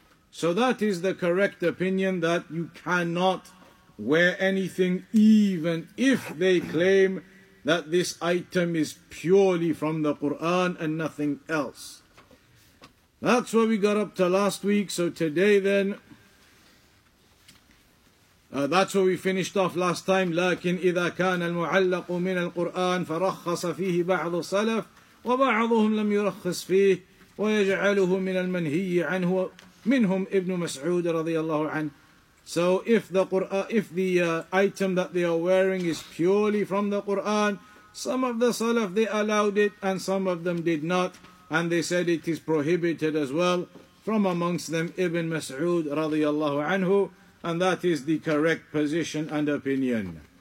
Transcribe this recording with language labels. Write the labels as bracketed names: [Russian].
[English] So that is the correct opinion, that you cannot wear anything, even if they claim that this item is purely from the Qur'an and nothing else. That's where we got up to last week. So today then, that's where we finished off last time. [Arabic] لكن إذا كان المعلق من القرآن فرخص فيه بعض السلف وبعضهم لم يرخص فيه ويجعله من المنهي عنه منهم ابن مسعود رضي الله عنه. [English] So if the Quran, if the item that they are wearing is purely from the Quran, some of the salaf, they allowed it and some of them did not. And they said it is prohibited as well, from amongst them Ibn Mas'ud radiyallahu anhu, and that is the correct position and opinion.